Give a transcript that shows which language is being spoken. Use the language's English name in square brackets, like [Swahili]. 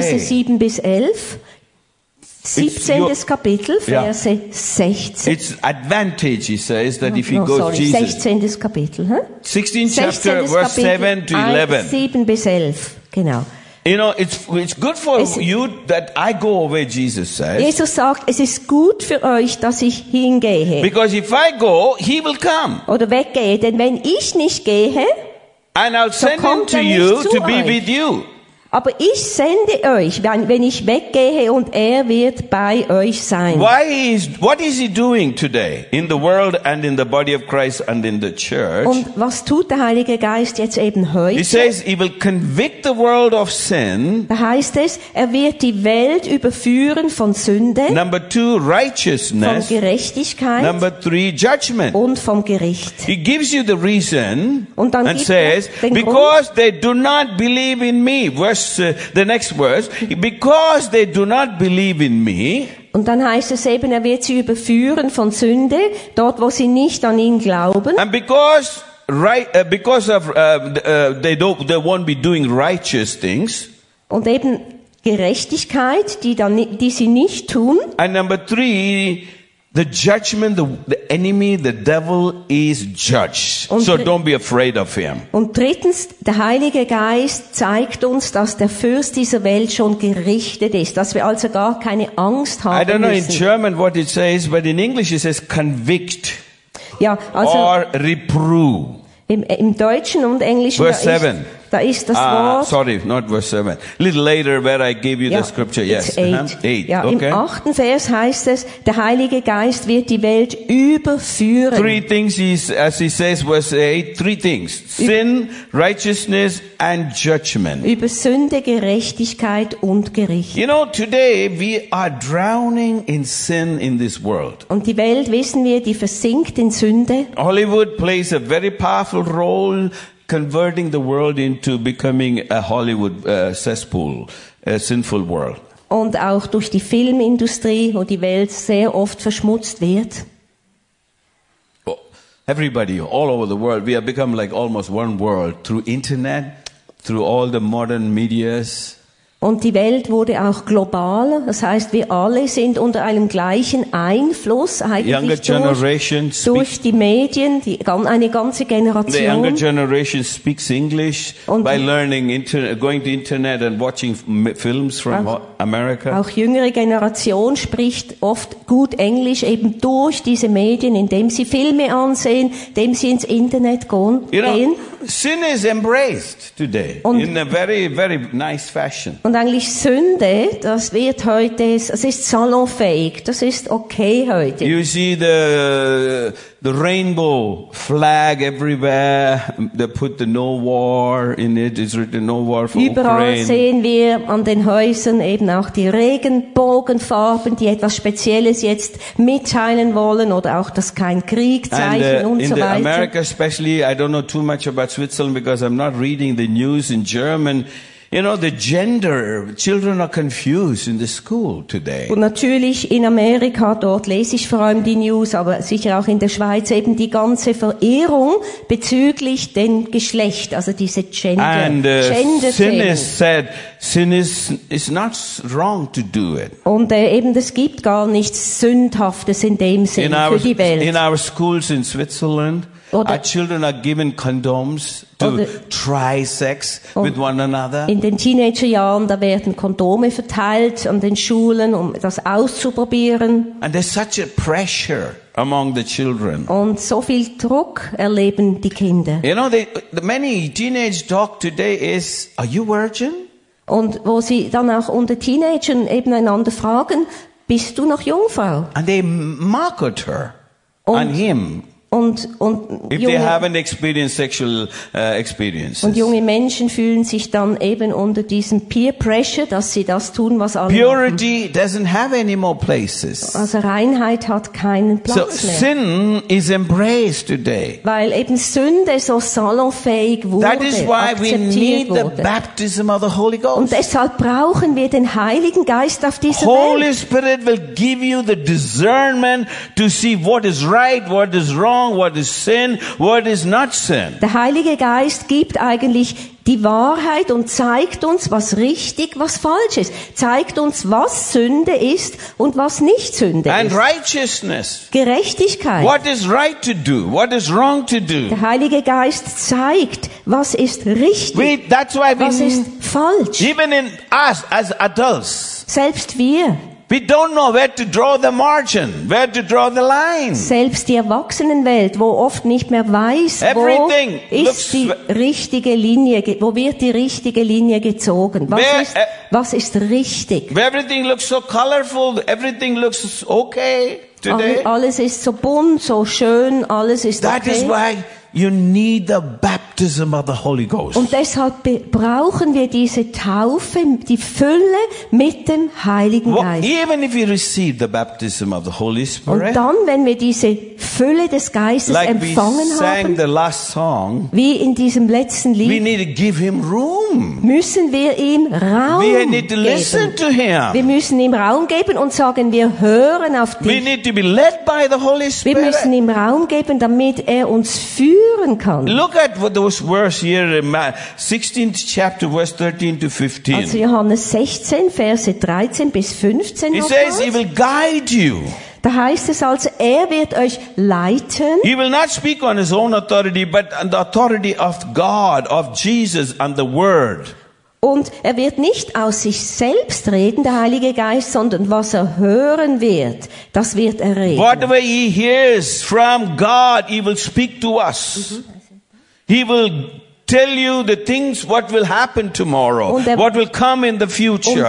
[German] Verse 7 bis 11. 17. Kapitel, Verse yeah. 16. [English] It's advantage, he says, that if he goes sorry, Jesus. [German] 16. Kapitel. Huh? [English] 16 chapter, verse 7 to 11. [German] 7 bis 11, genau. [English] You know, it's good for you that I go away, Jesus says. [German] Jesus sagt, es ist gut für euch, dass ich hingehe. [English] Because if I go, he will come. [German] Oder weggehe, denn wenn ich nicht gehe, [English] and I'll send so him to you to be with you. [German] Aber ich sende euch, wenn ich weggehe und er wird bei euch sein. [English] What is he doing today in the world and in the body of Christ and in the church? [German] Und was tut der Heilige Geist jetzt eben heute? [English] He says he will convict the world of sin. [German] Da heißt es, er wird die Welt überführen von Sünde. [English] Number two, righteousness. [German] Von Gerechtigkeit. [English] Number three, judgment. [German] Und vom Gericht. [English] He gives you the reason [German] und dann [English] and [German] gibt [English] says, [German] er den [English] because [German] Grund, [English] they do not believe in me. The next verse, because they do not believe in me. [German] Und dann heißt es eben, er wird sie überführen von Sünde, dort wo sie nicht an ihn glauben. [English] And because right, because of they don't, they won't be doing righteous things. [German] Und eben Gerechtigkeit, die sie nicht tun. [English] And number three, the judgment, the enemy, the devil is judged. [German] Und [English] so don't be afraid of him. [German] Und drittens, der Heilige Geist zeigt uns, dass der Fürst dieser Welt schon gerichtet ist, dass wir also gar keine Angst haben müssen. [English] I don't know In German what it says, but in English it says convict [German] ja, also [English] or reprove. [German] Im Deutschen und Englischen [English] verse 7. [German] Da ist das Wort. [English] Sorry, not verse 7. A little later, where I gave you [German] ja, [English] the scripture. Yes, [German] 8. Ja, okay. Im 8. Vers heißt es, der Heilige Geist wird die Welt überführen. [English] Three things, as he says, verse 8, three things. Sin, righteousness and judgment. [German] Über Sünde, Gerechtigkeit und Gericht. [English] You know, today we are drowning in sin in this world. [German] Und die Welt, wissen wir, die versinkt in Sünde. [English] Hollywood plays a very powerful role converting the world into becoming a Hollywood cesspool, a sinful world. [German] Und auch durch die Filmindustrie, wo die Welt sehr oft verschmutzt wird. [English] Oh, everybody, all over the world, we have become like almost one world through internet, through all the modern medias. [German] Und die Welt wurde auch globaler. Das heißt, wir alle sind unter einem gleichen Einfluss eigentlich durch die Medien, die, eine ganze Generation. [English] The younger generation speaks English by learning going to internet and watching films from America. [German] Auch jüngere Generation spricht oft gut Englisch eben durch diese Medien, indem sie Filme ansehen, indem sie ins Internet gehen. [English] You know, sin is embraced today in a very, very nice fashion. [German] Und eigentlich Sünde, das wird heute, das ist salonfähig, das ist okay heute. [English] You see the rainbow flag everywhere, they put the no war in it, it's written no war for [German] Überall [English] Ukraine. [German] Überall sehen wir an den Häusern eben auch die Regenbogenfarben, die etwas Spezielles jetzt mitteilen wollen oder auch das Kein-Krieg-Zeichen und so weiter. [English] In America especially, I don't know too much about Switzerland because I'm not reading the news in German. You know, the gender, children are confused in the school today. [German] Und natürlich in Amerika, dort lese ich vor allem die News, aber sicher auch in der Schweiz eben die ganze Verirrung bezüglich den Geschlecht, also diese Gender. [English] And sin is said, sin is not wrong to do it. [German] Und eben, es gibt gar nichts Sündhaftes in dem Sinn in für die Welt. [English] In our schools in Switzerland, our children are given condoms to try sex with one another. [German] In den Teenagerjahren, da werden Kondome verteilt an den Schulen, um das auszuprobieren. [English] And there's such a pressure among the children. [German] Und so viel Druck erleben die Kinder. [English] You know, the many teenage talk today is, are you virgin? [German] Und wo sie dann auch unter Teenagern eben einander fragen, bist du noch Jungfrau? [English] And they mock at her on him. [German] Und [English] if they haven't experienced sexual experiences. [German] Und junge Menschen fühlen sich dann eben unter diesem Peer Pressure, dass sie das tun, was alle [English] Purity Doesn't have any more places. [German] Also Reinheit hat keinen Platz so mehr. [English] Sin is embraced today. [German] Weil eben Sünde so salonfähig wurde, [English] that is why we need [German] wurde. [English] The baptism of the Holy Ghost. [German] Und deshalb brauchen wir den Heiligen Geist auf dieser Welt. [English] Holy Spirit will give you the discernment to see what is right, what is wrong. What is sin? What is not sin? [German] Der Heilige Geist gibt eigentlich die Wahrheit und zeigt uns, was richtig, was falsch ist. Zeigt uns, was Sünde ist und was nicht Sünde ist. [English] And righteousness. [German] Gerechtigkeit. [English] What is right to do? What is wrong to do? [German] Der Heilige Geist zeigt, was ist richtig, was ist falsch. [English] Even in us as adults. [German] Selbst wir. [English] We don't know where to draw the margin, where to draw the line. [German] Selbst die Erwachsenenwelt, wo oft nicht mehr weiß, [English] everything [German] wo ist [English] looks [German] die richtige Linie, wo wird die richtige Linie gezogen? Was ist richtig? [English] Everything looks so colorful, everything looks okay today. [German] Alles ist so bunt, so schön, alles ist [English] that [German] okay. [English] That is why you need the baptism of the Holy Ghost. [German] Und deshalb brauchen wir diese Taufe, die Fülle mit dem Heiligen Geist. [English] Well, even if you receive the baptism of the Holy Spirit. [German] Und dann, wenn wir diese Fülle des Geistes [English] like [German] empfangen [English] we sang [German] haben, [English] the last song, [German] wie in diesem letzten Lied, [English] we need to give him room. [German] Müssen wir ihm Raum [English] we need to [German] geben. [English] Listen to him. [German] Wir müssen ihm Raum geben und sagen, wir hören auf dich. [English] We need to be led by the Holy Spirit. [German] Wir müssen ihm Raum geben, damit er uns führt. [English] Look at what those verse here in 16th chapter, verse 13 to 15. [German] Also Johannes 16, Verse 13 bis 15. [English] He says, he will guide you. [German] Da heißt es also, er wird euch leiten. [English] He will not speak on his own authority, but on the authority of God, of Jesus and the Word. [German] Und er wird nicht aus sich selbst reden, der Heilige Geist, sondern was er hören wird, das wird er reden. [English] Whatever he hears from God, he will speak to us. He will tell you the things, what will happen tomorrow, what will come in the future.